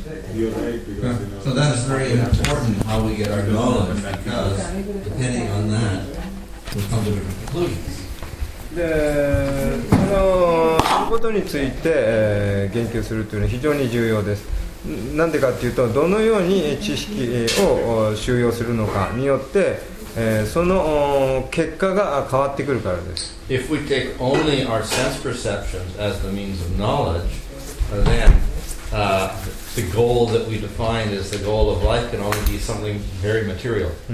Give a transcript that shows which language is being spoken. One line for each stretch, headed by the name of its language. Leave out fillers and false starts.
English: So that's very important how we get our knowledge, because depending on that, we'll come to different conclusions.
Japanese: でそのことについて、言及するというのは非常に重要です。なんでかというと、どのように知識を収容するのかによって、その結果が変わってくるからです。
English: If we take only our sense perceptions as the means of knowledge, then the goal that we define as the goal of life can only be something very material.